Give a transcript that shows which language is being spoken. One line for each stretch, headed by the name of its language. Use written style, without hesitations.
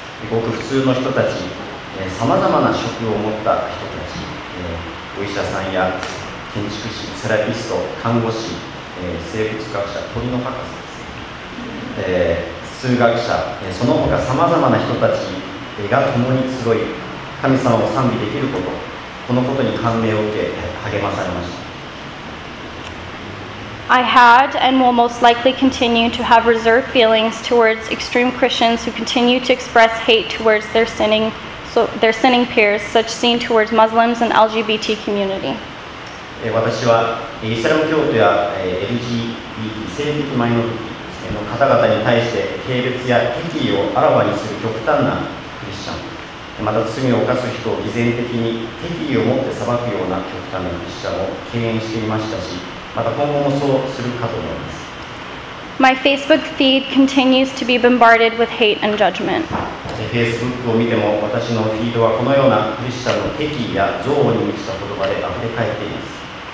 Japanese: ごく普通の人たち、さまざまな職を持った人たち、お医者さんや建築士、セラピスト、看護師、生物学者、鳥の博士です、数学者、その他さまざまな人たちが共に集い、神様を賛美できること、このことに感銘を受け、励まされました。
English: I had and will most likely continue to have reserved feelings towards extreme Christians who continue to express hate towards their sinning. Their sinning peers, such seen towards Muslims and LGBT community.
Japanese: 私はイスラム教徒や LGBT 性的マイノリティの方々に対して軽蔑や敵意をあらわにする極端なクリスチャン、また罪を犯す人を偽善的に敵意を持って裁くような極端なクリスチャンを敬遠していましたし、また今後もそうするかと思います。
English: My Facebook feed continues to be bombarded with hate and judgment.
Japanese: Facebook を見ても私のフィードはこのようなクリスチャンの敵意や憎悪に満ちた言葉であふれかえっています。